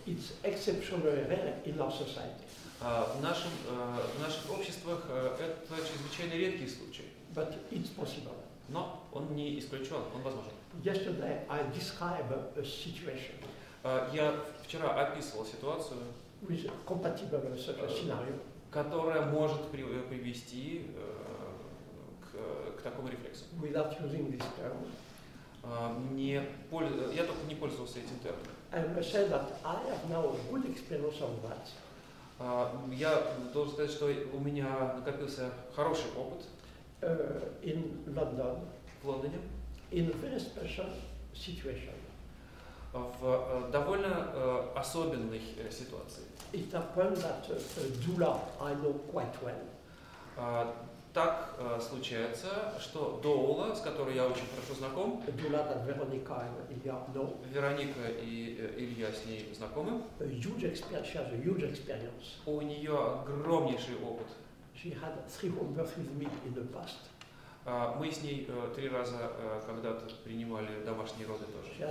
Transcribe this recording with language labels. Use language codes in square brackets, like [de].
[en] It's exceptionally rare in our society. [ru] В наших обществах это чрезвычайно редкий случай. [en] But it's possible. [ru] Но он не исключен, он возможен. [en] Yesterday I described a situation. [ru] Я вчера описывал ситуацию, [en] which is compatible with such a scenario, [ru] которая может привести к такому рефлексу. [en] Without using this term. [ru] Я только не пользовался этим термином. [en] I must say that I have now a good experience of that. [ru] Я должен сказать, что у меня накопился хороший опыт [en] in London, [ru] в Лондоне [en] in a very special situation. [ru] В довольно особенной ситуации. [en] It happened that a doula I know quite well. [ru] Так случается, что доула, с которой я очень хорошо знаком, [en] doula that Veronica and Ilya know, [ru] Вероника и Илья с ней знакомы, [en] a huge experience. [ru] У нее огромнейший опыт. [en] She had three home births with me in the past. [ru] Мы с ней три раза когда-то принимали домашние роды тоже.